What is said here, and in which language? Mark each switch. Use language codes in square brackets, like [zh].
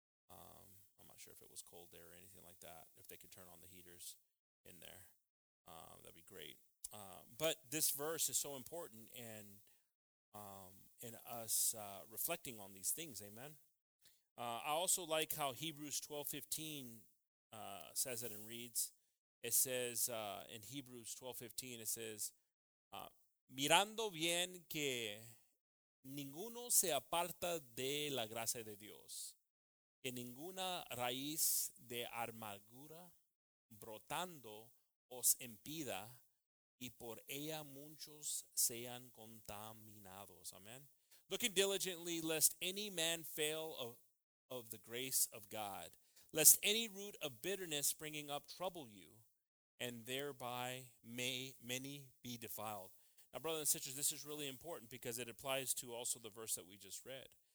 [en] I'm not sure if it was cold there or anything like that. If they could turn on the heaters in there, that'd be great. But this verse is so important in us reflecting on these things, amen? I also like how Hebrews 12:15 says it and reads. It says in Hebrews 12:15, it says, [es] mirando bien que ninguno se aparta de la gracia de Dios, que ninguna raíz de amargura brotando os impida, y por ella muchos sean contaminados. Amen. [en] Looking diligently, lest any man fail of the grace of God, lest any root of bitterness springing up trouble you, and thereby may many be defiled. Now, brothers and sisters, this is really important because it applies to also the verse that we just read.